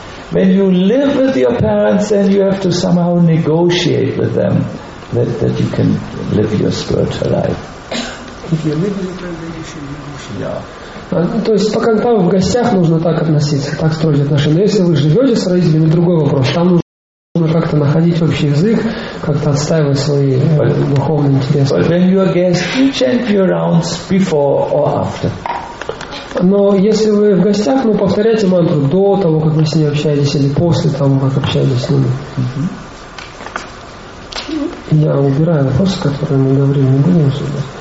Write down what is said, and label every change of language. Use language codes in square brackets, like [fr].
[en] When you live with your parents, then you have to somehow negotiate with them that you can live your spiritual life. If you live with your parents, then you should negotiate. Yeah. [ru] То есть пока там в гостях нужно так относиться, так строить отношения. Но если вы живете с родителями, другой вопрос. Там нужно как-то находить общий язык, как-то отстаивать свои духовные интересы. [en] But when you are guests, you chant your rounds before or after. [ru] Но если вы в гостях, ну повторяйте мантру до того, как вы с ней общаетесь, или после того, как общаетесь с ними. Mm-hmm. Я убираю вопросы, которые мы говорили, не будем сюда.